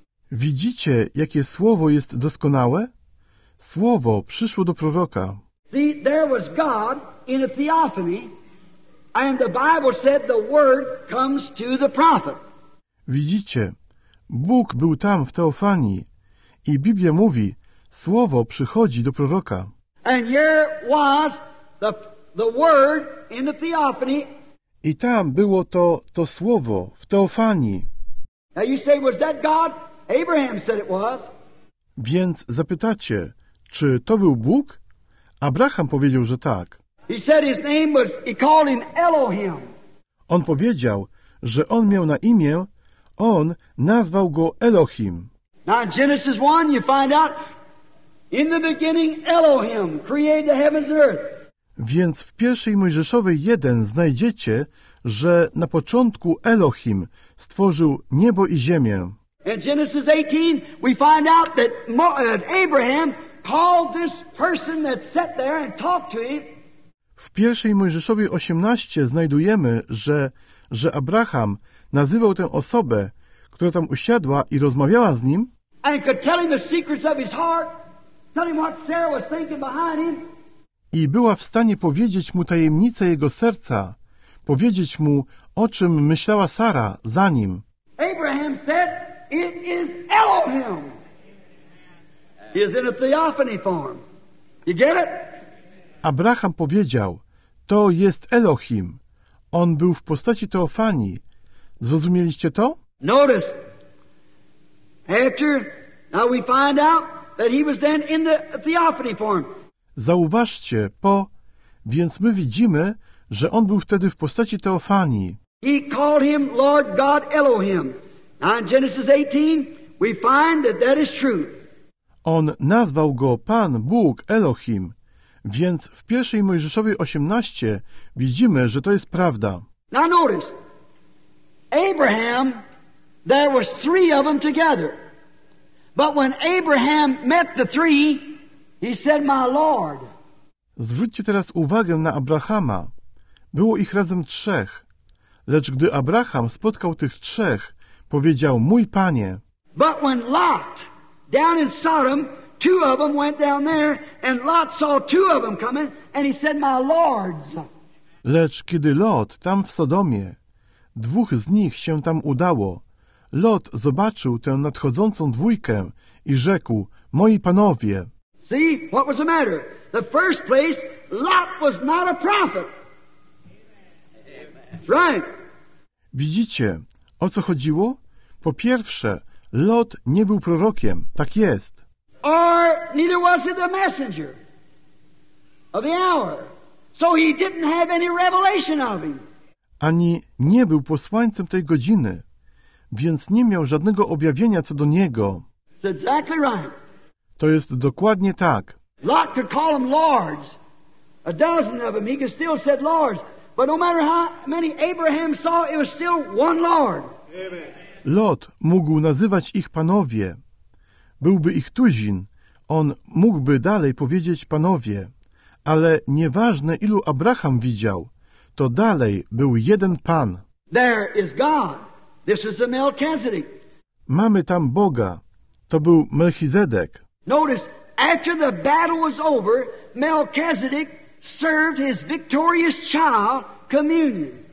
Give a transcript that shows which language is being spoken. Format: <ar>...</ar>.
<pl>Widzicie, jakie słowo jest doskonałe? Słowo przyszło do proroka.</pl> <en>See, there was God in a theophany, and the Bible said the word comes to the prophet.</en> <pl>Widzicie, Bóg był tam w teofanii i Biblia mówi, słowo przychodzi do proroka.</pl> <en>And here was the word in the theophany.</en> <pl>I tam było to słowo w teofanii.</pl> <en>Now you say, was that God? Abraham said it was.</en> <pl>Więc zapytacie, czy to był Bóg? Abraham powiedział, że tak.</pl> <en>He said his name was, he called him Elohim.</en> <pl>On powiedział, że on miał na imię, on nazwał go Elohim.</pl> <en>Now in Genesis 1 you find out, in the beginning Elohim created the heavens and earth.</en> <pl>Więc w pierwszej Mojżeszowej 1 znajdziecie, że na początku Elohim stworzył niebo i ziemię.</pl> <en>In Genesis 18 we find out that Abraham called this person that sat there and talked to him.</en> <pl>W pierwszej Mojżeszowej 18 znajdujemy, że Abraham nazywał tę osobę, która tam usiadła i rozmawiała z nim.</pl> <en>And could tell him the secrets of his heart, tell him what Sarah was thinking behind him.</en> <pl>I była w stanie powiedzieć mu tajemnicę jego serca, powiedzieć mu, o czym myślała Sara za nim.</pl> <en>Abraham said, it is Elohim. He is in a theophany form. You get it?</en> <pl>Abraham powiedział, to jest Elohim. On był w postaci teofanii. Zrozumieliście to?</pl> <en>Notice. After, now we find out that he was then in the theophany form.</en> <pl>Zauważcie, po, więc my widzimy, że on był wtedy w postaci teofanii.</pl> <en>He called him Lord God Elohim. Now in Genesis 18, we find that that is true.</en> <pl>On nazwał go Pan Bóg Elohim, więc w pierwszej Mojżeszowej 18 widzimy, że to jest prawda.</pl> <en>Now notice, Abraham, there was three of them together. But when Abraham met the three, he said, my Lord.</en> <pl>Zwróćcie teraz uwagę na Abrahama. Było ich razem trzech. Lecz gdy Abraham spotkał tych trzech, powiedział, mój Panie.</pl> <en>But when Lot down in Sodom, two of them went down there, and Lot saw two of them coming, and he said, my lords.</en> <pl>Lecz kiedy Lot tam w Sodomie, dwóch z nich się tam udało, Lot zobaczył tę nadchodzącą dwójkę i rzekł, moi panowie.</pl> <en>See, what was the matter? The first place, Lot was not a prophet. Right.</en> <pl>Widzicie, o co chodziło? Po pierwsze, Lot nie był prorokiem, tak jest.</pl> <en>Or neither was he the messenger of the hour. So he didn't have any revelation of him.</en> <pl>Ani nie był posłańcem tej godziny, więc nie miał żadnego objawienia co do niego.</pl> <en>It's exactly right.</en> <pl>To jest dokładnie tak.</pl> <en>Lot could call them lords. A dozen of them, he could still said lords. But no matter how many Abraham saw, it was still one Lord. Amen.</en> <pl>Lot mógł nazywać ich panowie. Byłby ich tuzin, on mógłby dalej powiedzieć panowie. Ale nieważne, ilu Abraham widział, to dalej był jeden Pan.</pl> <en>There is God. This is the Melchizedek.</en> <pl>Mamy tam Boga. To był Melchizedek.</pl> <en>Notice, after the battle was over, Melchizedek served his victorious child communion.</en>